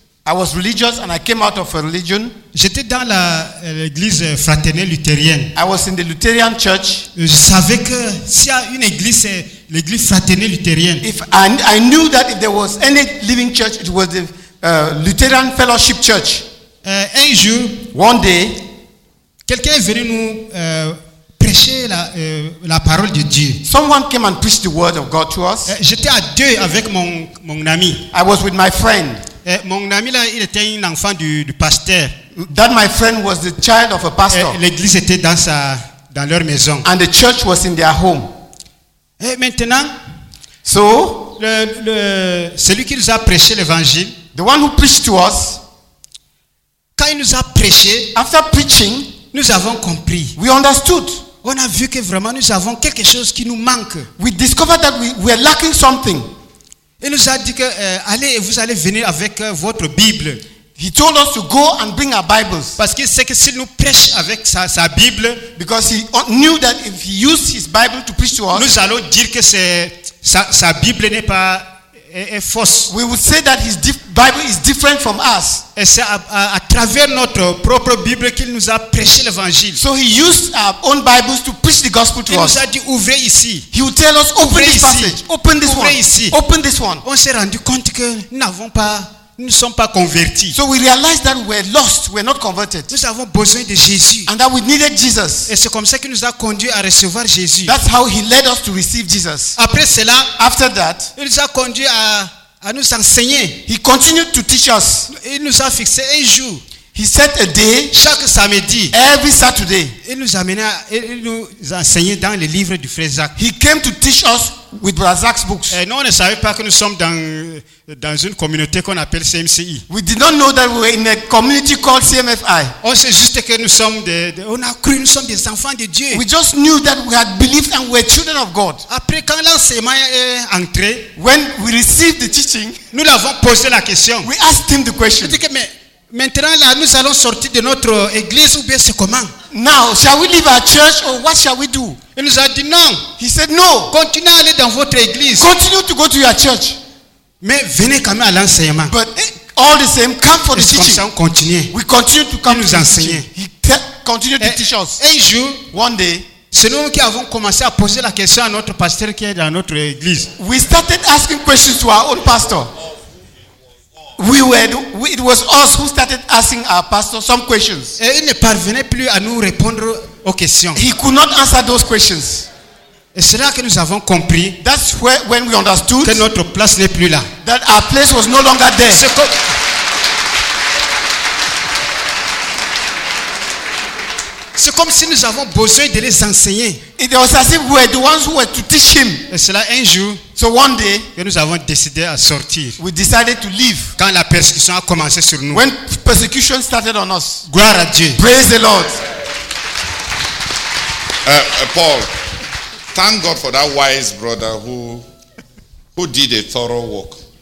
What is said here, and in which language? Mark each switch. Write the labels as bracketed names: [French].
[English] I was religious and I came out of a religion. [French] J'étais dans l'église fraternelle luthérienne. [English] I was in the Lutheran church. [French] Je savais que s'il y a une église, c'est l'église fraternelle luthérienne. [English] I knew that if there was any living church, it was the Lutheran Fellowship Church. [French] Un jour, [English] one day, [French] quelqu'un est venu nous prêchais la parole de Dieu. [English] Someone came and preached the word of God to us. [French] J'étais à deux avec mon ami. [English] I was with my friend. [French] Mon ami là, il était un enfant du pasteur. [English] That my friend was the child of a pastor. [French] L'église était dans leur maison. [English] And the church was in their home. [French] Et maintenant, [English] so [French] celui qui nous a prêché l'évangile, [English] the one who preached to us, [French] quand il nous a prêché, [English] after preaching, [French] nous avons compris. [English] We understood. [French] On a vu que vraiment nous avons quelque chose qui nous manque. [English] We discovered that we are lacking something. [French] Il nous a dit que vous allez venir avec votre Bible. [English] He told us to go and bring our Bibles. [French] Parce que c'est que s'il nous prêche avec sa Bible, [English] because he knew that if he used his Bible to preach to us, [French] nous allons dire que sa Bible n'est pas est fausse. [English] We would say that his Bible is different from us. [French] Et c'est à travers notre propre Bible qu'il nous a prêché l'Évangile. [English] So he used our own Bibles to preach the gospel to [French] il [English] us. [French] Il nous a dit ouvrez ici. [English] He would tell us open [French] ouvrez [English] this [French] ici. [English] Passage. Open this [French] ouvrez [English] one. [French] Ici. [English] Open this one. [French] On s'est rendu compte que nous ne sommes pas convertis. [English] So we realized that we're lost, we're not converted. [French] Nous avons besoin de Jésus. [English] And that we needed Jesus. [French] Et c'est comme ça qu'il nous a conduit à recevoir Jésus. [English] That's how he led us to receive Jesus. [French] Après cela, [English] after that, [French] il nous a conduit à nous enseigner. [English] He continued to teach us. [French] Il nous a fixé un jour. [English] He set a day. [French] Chaque samedi. [English] Every Saturday. [French] Il nous enseignait dans le livre du frère Zach. [English] He came to teach us with Brother Zach's books. [French] Et nous, on ne savait pas que nous sommes dans une communauté qu'on appelle CMCI. [English] We did not know that we were in a community called CMFI. [French] On sait juste que nous sommes on a cru nous sommes des enfants de Dieu. [English] We just knew that we had believed and were children of God. [French] Après quand l'enseignement est entré, [English] when we received the teaching, [French] nous l'avons posé la question. [English] We asked him the question. [French] Je dis que mais maintenant là nous allons sortir de notre église ou bien c'est comment? [English] Now shall we leave our church or what shall we do? [French] Il nous a dit non. [English] He said no. [French] Continuez à aller dans votre église. [English] Continue to go to your church. [French] Mais venez quand même à l'enseignement. [English] But all the same, come for the teaching. [French] Comme ça, on continue. [English] We continue to come. [French] Il nous enseignait. [English] Continue to teach us. [French] Un jour, [English] one day, [French] c'est nous qui avons commencé à poser la question à notre pasteur qui est dans notre église. [English] We started asking questions to our own pastor. It was us who started asking our pastor some questions. [French] Et il ne parvenait plus à nous répondre aux questions. [English] He could not answer those questions. [French] Et c'est là que nous avons compris. [English] That's where, when we understood, [French] que notre place n'est plus là. [English] That our place was no longer there. [French] C'est comme si nous avons besoin de les enseigner. [English] It was as if we were the ones who were to teach him. [French] Et cela un jour. [English] So one day, [French] que nous avons décidé à sortir. [English] We decided to leave. [French] Quand la persécution a commencé sur nous. [English] When persecution started on us. [French] Gloire à Dieu. [English] Praise the Lord. Paul, thank God for that wise brother who did a thorough work.